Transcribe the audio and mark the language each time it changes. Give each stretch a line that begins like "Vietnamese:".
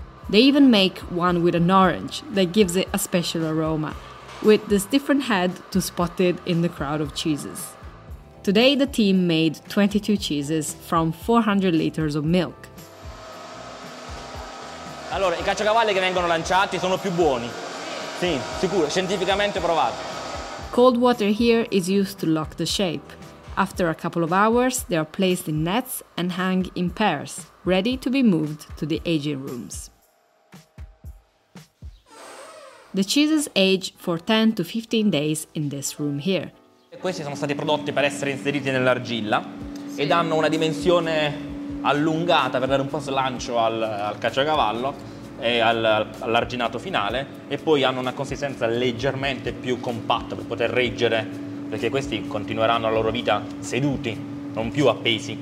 English: They even make one with an orange that gives it a special aroma, with this different head to spot it in the crowd of cheeses. Today the team made 22 cheeses from 400 liters of milk.
Italian: Allora, i caciocavalli che vengono lanciati sono più buoni. Sì, sicuro, scientificamente provato.
English: Cold water here is used to lock the shape. After a couple of hours, they are placed in nets and hang in pairs, ready to be moved to the aging rooms. The cheeses age for 10 to 15 days in this room here.
Italian: Questi sono stati prodotti per essere inseriti nell'argilla e danno una dimensione allungata per dare un po' slancio al caciocavallo e all'arginato finale, e poi hanno una consistenza leggermente più compatta per poter reggere, perché questi continueranno la loro vita seduti, non più appesi.